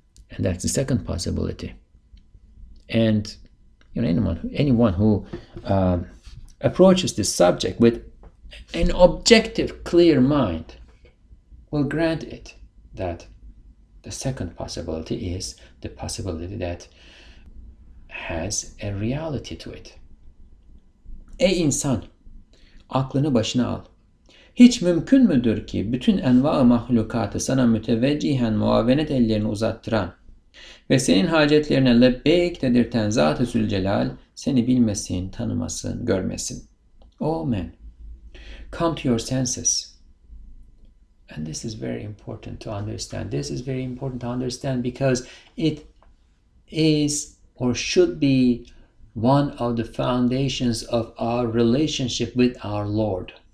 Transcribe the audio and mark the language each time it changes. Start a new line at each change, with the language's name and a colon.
English: And that's the second possibility. And you know, anyone who approaches this subject with an objective, clear mind will grant it that the second possibility is the possibility that has a reality to it.
Turkish: Ey insan, aklını başına al. Hiç mümkün müdür ki bütün enva-ı mahlukatı sana müteveccihen muavenet ellerini uzattıran ve senin hacetlerine lebbeyk dedirten Zat-ı Zülcelal seni bilmesin, tanımasın, görmesin.
English: Oh man, come to your senses. And this is very important to understand. This is very important to understand because it is or should be one of the foundations of our relationship with our Lord.